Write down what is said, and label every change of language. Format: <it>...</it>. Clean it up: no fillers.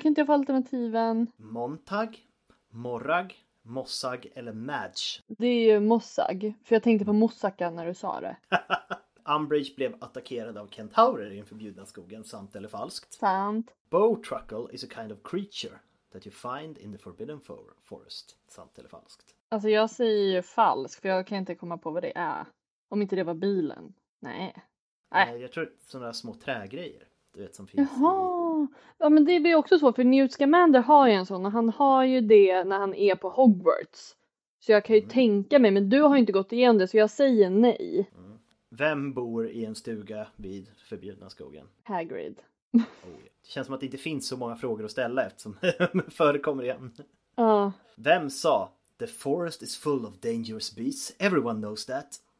<sv>Kan inte jag få alternativen? Montag, Morrag, Mossag eller Madge? Det är ju Mossag, för jag tänkte på Mossaka när du sa det. Umbridge blev attackerad av kentaurer i den förbjudna skogen, sant eller falskt? Sant.</sv> <en>Bowtruckle is a kind of creature that you find in the Forbidden Forest,</en> <sv>sant eller falskt? Alltså jag säger ju falskt, för jag kan inte komma på vad det är. Om inte det var bilen. Nej. Nej, jag tror sådana små trägrejer, du vet, som finns. Jaha! Ja, men det blir också svårt, för Newt Scamander har ju en sån, och han har ju det när han är på Hogwarts. Så jag kan ju tänka mig, men du har ju inte gått igenom det, så jag säger nej. Mm. Vem bor i en stuga vid förbjudna skogen? Hagrid. Oh, det känns som att det inte finns så många frågor att ställa eftersom förekommer igen. Ja. Vem sa,</sv> <en>"The forest is full of dangerous beasts, everyone knows that"?</en>